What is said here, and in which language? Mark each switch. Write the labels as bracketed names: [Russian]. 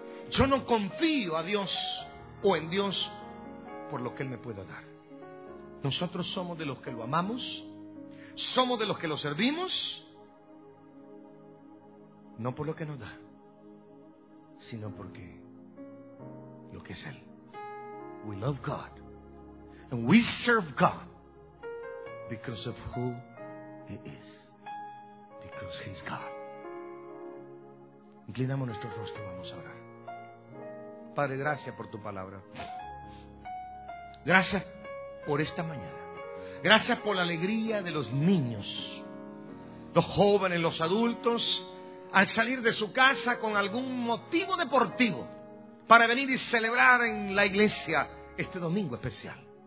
[Spanish] Yo no confío a Dios o en Dios por lo que Él me pueda dar. Nosotros somos de los que lo amamos, somos de los que lo servimos, no por lo que nos da, sino porque lo que es Él. [English] We love God and we serve God because of who He is, because He's God. [Spanish] Inclinamos nuestro rostro, vamos a orar. Padre, gracias por tu palabra. Gracias por esta mañana. Gracias por la alegría de los niños, los jóvenes, los adultos, al salir de su casa con algún motivo deportivo para venir y celebrar en la iglesia este domingo especial.